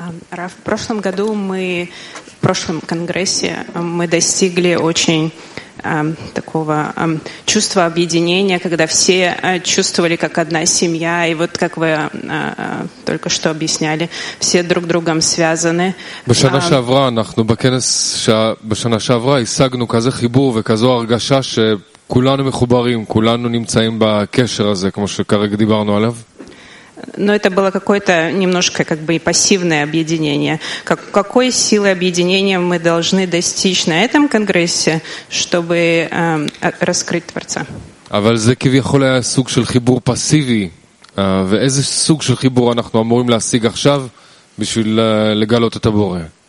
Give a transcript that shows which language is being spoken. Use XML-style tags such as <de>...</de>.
<ru>Рав, в прошлом году мы, в прошлом конгрессе, мы достигли очень такого чувства объединения, когда все чувствовали, как одна семья, и вот как вы только что объясняли, все друг с другом связаны.</ru> <he>בשנה שעברה אנחנו בכנס בשנה שעברה השגנו כזה חיבור וכזו הרגשה שכולנו מחוברים, כולנו נמצאים בקשר הזה, כמו שכרגע דיברנו עליו.</he> <ru>Но это было какое-то немножко как бы пассивное объединение. Как, какой силы объединения мы должны достичь на этом конгрессе, чтобы раскрыть Творца?</ru> <he>אבל זה כביכול היה סוג של חיבור פסיבי. ואיזה סוג של חיבור אנחנו אמורים להשיג עכשיו בשביל לגלות את הבורא?</he>